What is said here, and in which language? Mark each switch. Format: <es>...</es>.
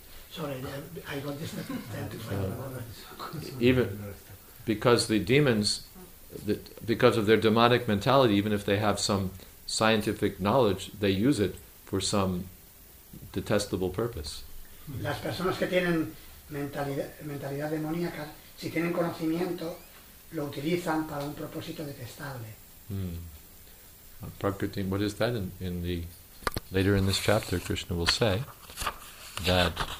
<en>Sorry, I got this identified. Even because the demons, because of their demonic mentality, even if they have some scientific knowledge, they use it for some detestable purpose.</en> <es>Las personas que tienen mentalidad demoníaca, si tienen conocimiento, lo utilizan para un propósito detestable.</es> <en>Prakriti, what is that later in this chapter, Krishna will say that.</en>